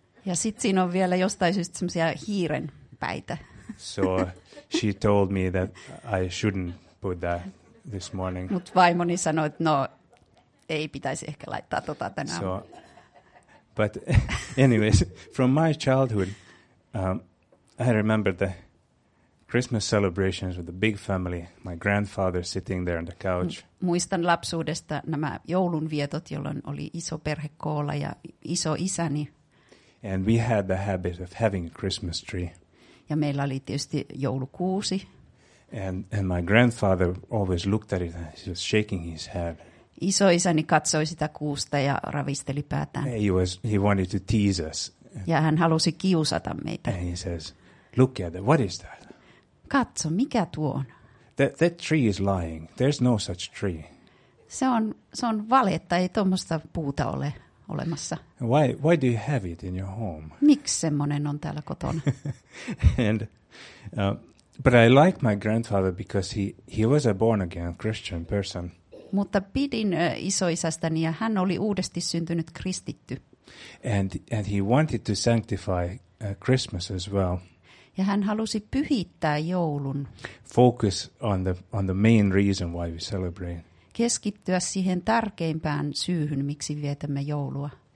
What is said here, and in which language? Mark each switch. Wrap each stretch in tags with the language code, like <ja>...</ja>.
<fi>Ja sitten siinä on vielä jostain syystä semmoisia hiiren päitä.</fi> <en>So she told me that I shouldn't put that this morning.</en> <fi>Mut vaimoni sanoi, että no, ei pitäisi ehkä laittaa tota tänään.</fi> <en>So, but anyways, from my childhood... I remember the Christmas celebrations with the big family, my grandfather sitting there on the couch.</en> <fi>Muistan lapsuudesta nämä joulunvietot, jolloin oli iso perhe koolla ja iso isäni.</fi> <en>And we had the habit of having a Christmas tree.</en> <fi>Ja meillä oli tietysti joulukuusi.</fi> <en>And my grandfather always looked at it and he was shaking his head.</en> <fi>Isoisäni katsoi sitä kuusta ja ravisteli päätään.</fi> <en>He wanted to tease us.</en> <fi>Ja hän halusi kiusata meitä.</fi> <en>And he says, look at that. What is that?</en> <fi>Katso, mikä tuo on?</fi> <en>That tree is lying. There's no such tree.</en> <fi>Se on valetta, ei tuommoista puuta ole olemassa.</fi> <en>Why do you have it in your home?</en> <fi>Miksi semmoinen on täällä kotona?</fi> <en>And but I like my grandfather because he was a born again Christian person.</en> <fi>Mutta pidin isoisästäni ja hän oli uudesti syntynyt kristitty.</fi> <en>And he wanted to sanctify Christmas as well.</en> <fi>Ja hän halusi pyhittää joulun.</fi> <en>Focus on the main reason why we celebrate.</en> <fi>Keskittyä siihen tärkeimpään syyhyn, miksi vietämme joulua.</fi>